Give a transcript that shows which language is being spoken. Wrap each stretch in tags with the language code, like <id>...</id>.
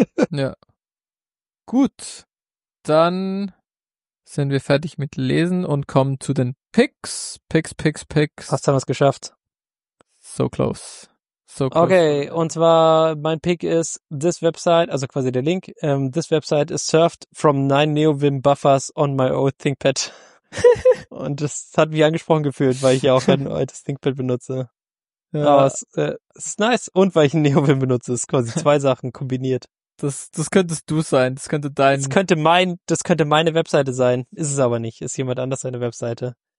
<de>Ja. Gut. Dann sind wir fertig mit Lesen und kommen zu den Picks. Picks, Picks, Picks. Hast du was geschafft?</de> <en>So close. So cool.</en> <de>Okay, und zwar mein Pick ist</de> <en>this website,</en> <de>also quasi der Link.</de> <en>This website is served from 9 NeoVim buffers on my old ThinkPad.</en> <de>Und das hat mich angesprochen gefühlt, weil ich ja auch ein altes ThinkPad benutze. Ja. Aber es ist nice. Und weil ich ein NeoVim benutze, ist quasi zwei Sachen kombiniert. Das könntest du sein. Das könnte dein. Das könnte meine Webseite sein. Ist es aber nicht. Ist jemand anders seine Webseite.</de>